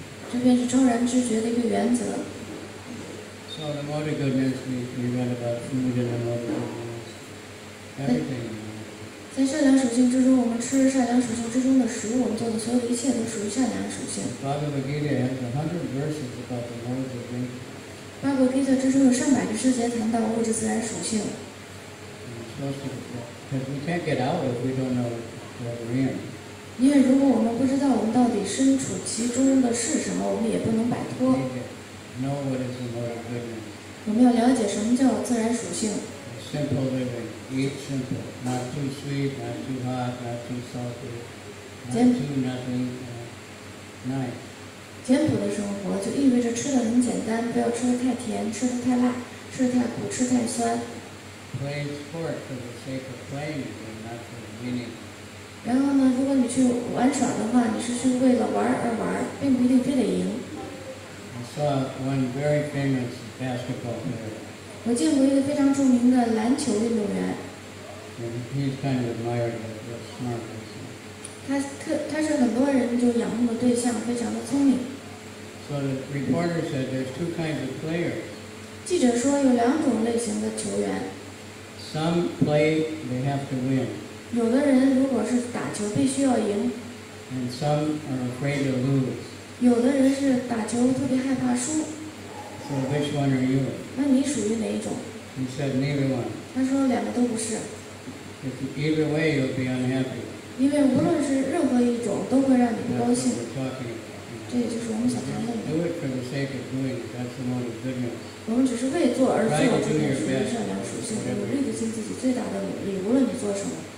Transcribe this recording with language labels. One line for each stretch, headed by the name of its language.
Chinese: 这便是中人知觉的一个原则。
English: So the mode of goodness we read about food and the mode of goodness, everything.
Chinese: 在善良属性之中，我们吃善良属性之中的食物，我们做的所有的一切都属于善良属性。
English: Bhagavad Gita has 100 verses about the mode of goodness.
Chinese: 巴格吉特之中有上百个章节谈到物质自然属性。
English: Because we can't get out if we don't know where we're in.
Chinese: 因为如果我们不知道我们到底身处其中的是什么，我们也不能摆脱。
English: Know what is the mode of goodness.
Chinese: 我们要了解什么叫自然属性。
English: Simple living, eat simple, not too sweet, not too hot, not too salty, not too nothing, nice.
Chinese: 简朴的生活就意味着吃的很简单，不要吃的太甜，吃的太辣，吃的太苦，吃太酸。
English: Play sport for the sake of playing and not for the meaning.
Chinese: 然后呢，如果你去玩耍的话，你是去为了玩而玩，并不一定非得赢。
English: I saw one very famous basketball player.
Chinese: 我见过一个非常著名的篮球运动员。
English: And he's kind of admired as a smart person.
Chinese: 他是很多人就仰慕的对象，非常的聪明。
English: So the reporter said there's two kinds of players.
Chinese: 记者说有两种类型的球员。
English: Some play, they have to win.
Chinese: 有的人如果是打球必须要赢
English: and some are afraid to lose.
Chinese: 有的人是打球特别害怕输
English: so which one are you?
Chinese: 那你属于哪一种
English: he said neither one.
Chinese: 他说两个都不是
English: if either way you'll be unhappy.
Chinese: 因为无论是任何一种都会让你不高兴
English: That's what we're talking about.
Chinese: 这也就是我们想谈论的
English: do it for the sake of doing, that's the mode of goodness.
Chinese: 我们只是为做而做，这就是善良属性。努力的尽自己最大的努力，无论你做什么。